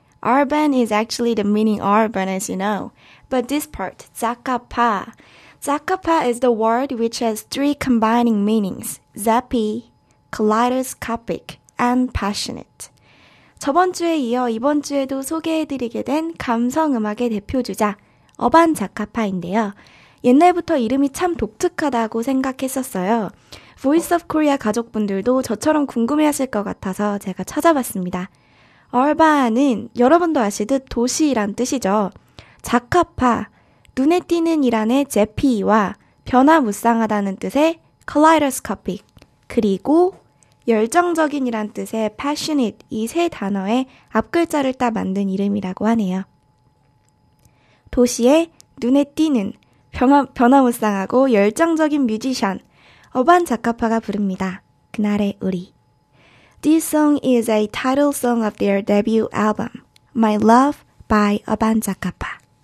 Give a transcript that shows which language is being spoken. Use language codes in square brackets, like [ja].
[en] Urban is actually the meaning urban, as you know. But this part, Zakapa. Zakapa is the word which has three combining meanings, zappy, kaleidoscopic, and passionate. [ko] 저번 주에 이어 이번 주에도 소개해드리게 된 감성 음악의 대표 주자, 어반 자카파인데요. 옛날부터 이름이 참 독특하다고 생각했었어요. Voice of Korea 가족분들도 저처럼 궁금해하실 것 같아서 제가 찾아봤습니다. 어반은 여러분도 아시듯 도시란 뜻이죠. 자카파, 눈에 띄는 이란의 제피와 변화무쌍하다는 뜻의 kaleidoscopic, 그리고 열정적인 이란 뜻의 passionate 이 세 단어의 앞글자를 따 만든 이름이라고 하네요. 도시의 눈에 띄는 변화무쌍하고 열정적인 뮤지션 어반 자카파가 부릅니다. 그날의 우리. [en] This song is a title song of their debut album, My Love by 어반 자카파.